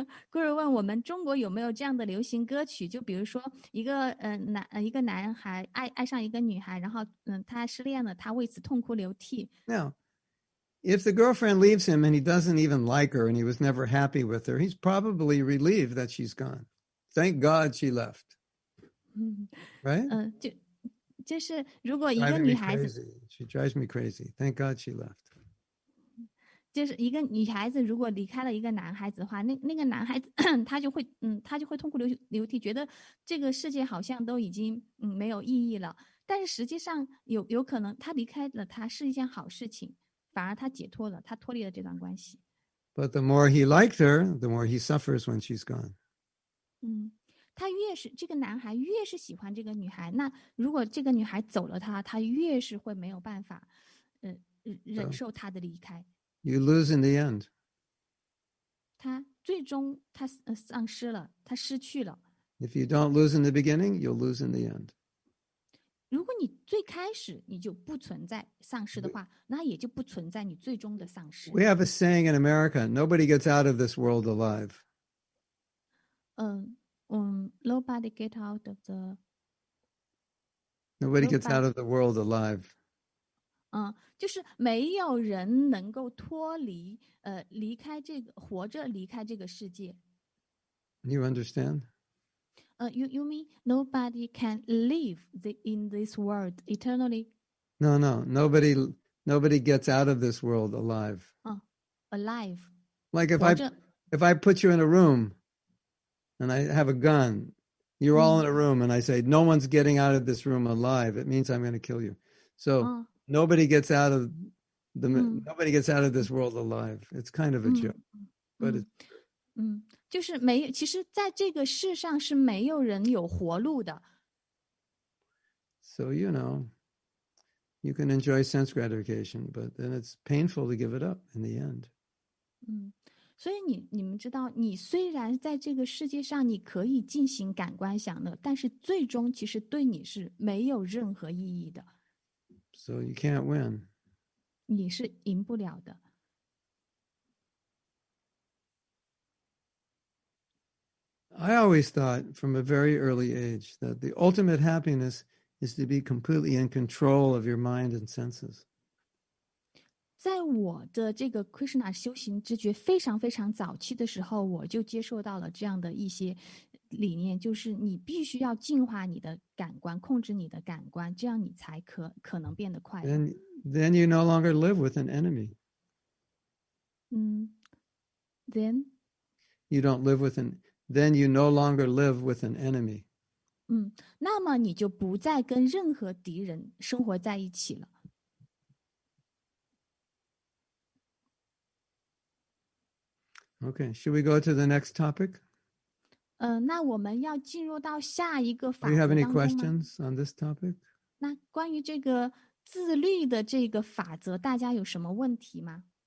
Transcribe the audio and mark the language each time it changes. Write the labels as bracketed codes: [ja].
[zh] 顾尔问我们中国有没有这样的流行歌曲，就比如说一个男孩爱上一个女孩，然后他失恋了，他为此痛哭流涕。 [en] Now, if the girlfriend leaves him and he doesn't even like her and he was never happy with her, he's probably relieved that she's gone. Thank God she left. Right? [zh] 就是如果一个女孩子 [en] she drives me crazy. Thank God she left. [zh] 就是一个女孩子如果离开了一个男孩子的话，那个男孩子他就会他就会痛哭流涕，觉得这个世界好像都已经没有意义了。但是实际上有可能他离开了他是一件好事情，反而他解脱了，他脱离了这段关系。 [en] But the more he liked her, the more he suffers when she's gone. [zh] 他越是这个男孩越是喜欢这个女孩，那如果这个女孩走了他越是会没有办法忍受他的离开。 [en] You lose in the end. [zh] 他最终他丧失了，他失去了。 [en] If you don't lose in the beginning, you'll lose in the end. [zh] 如果你最开始你就不存在丧失的话，那也就不存在你最终的丧失。 [en] We have a saying in America, nobody gets out of this world alive. Nobody gets out of the... Nobody gets out of the world alive. 就是没有人能够脱离离开这个活着离开这个世界。 You understand? You mean nobody can live in this world eternally? No, nobody gets out of this world alive. Alive. Like if I put you in a room and I have a gun, you're all in a room and I say, no one's getting out of this room alive, it means I'm going to kill you. So,Nobody gets out of this world alive. It's kind of a joke, but it's [zh] 就是没有。其实，在这个世上是没有人有活路的。 [en] So you know, you can enjoy sense gratification, but then it's painful to give it up in the end. [zh] 所以你们知道，你虽然在这个世界上你可以进行感官享乐，但是最终其实对你是没有任何意义的。 [en] So you can't win. [zh] 你是赢不了的。 [en] I always thought from a very early age that the ultimate happiness is to be completely in control of your mind and senses. [zh] 在我的这个 Krishna 修行之觉非常非常早期的时候，我就接受到了这样的一些理念，就是你必须要净化你的感官，控制你的感官，这样你才可能变得快乐。 [en] Then you no longer live with an enemy. Then you don't live with an. Then you no longer live with an enemy. [zh] 那么你就不再跟任何敌人生活在一起了。 [en] Okay, should we go to the next topic? [zh] Now 我们要进入到下一个法。 [en] Do you have any questions on this topic? [zh] 那关于这个自律的这个法则，大家有什么问题吗？